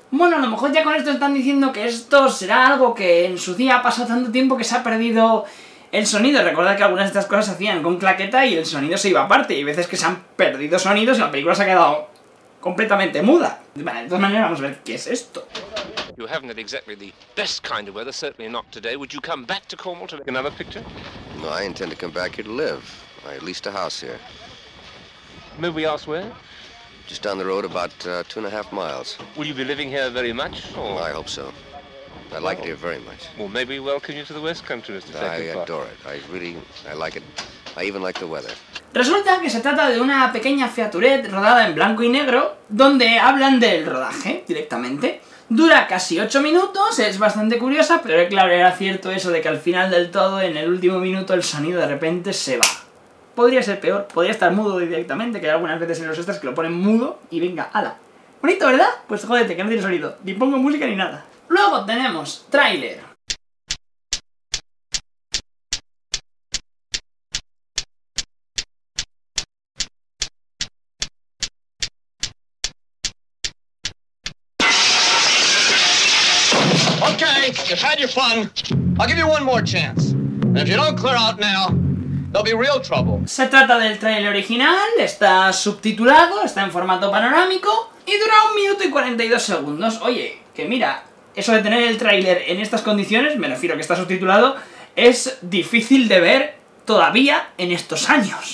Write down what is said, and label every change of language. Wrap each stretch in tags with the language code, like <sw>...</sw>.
<es>Bueno, a lo mejor ya con esto están diciendo que esto será algo que en su día ha pasado tanto tiempo que se ha perdido el sonido. Recuerda que algunas de estas cosas se hacían con claqueta y el sonido se iba aparte. Y hay veces que se han perdido sonidos y la película se ha quedado completamente muda. Vale, de todas maneras, vamos a ver qué es esto.</es> <en>You haven't had exactly the best kind of weather, certainly not today. Would you come back to Cornwall to make another picture? No, I intend to come back here to live. I leased a house here. Maybe we ask where? Just down the road, about 2.5 miles. Will you be living here very much? Or? I hope so. I like it here very much. Well, maybe welcome you to the West Country, Mr. Peckinpah. I adore it. I like it. I even like the weather.</en> <es>Resulta que se trata de una pequeña featurette rodada en blanco y negro, donde hablan del rodaje directamente. Dura casi 8 minutos, es bastante curiosa, pero claro, era cierto eso de que al final del todo, en el último minuto, el sonido de repente se va. Podría ser peor, podría estar mudo directamente, que hay algunas veces en los extras que lo ponen mudo y venga, ala. Bonito, ¿verdad? Pues jódete, que no tiene sonido, ni pongo música ni nada. Luego tenemos tráiler.</es> <en>You've had your fun. I'll give you one more chance. And if you don't clear out now, there'll be real trouble.</en> <es>Se trata del trailer original, está subtitulado, está en formato panorámico y dura 1 minuto y 42 segundos. Oye, que mira, eso de tener el trailer en estas condiciones, me refiero a que está subtitulado, es difícil de ver todavía en estos años.</es>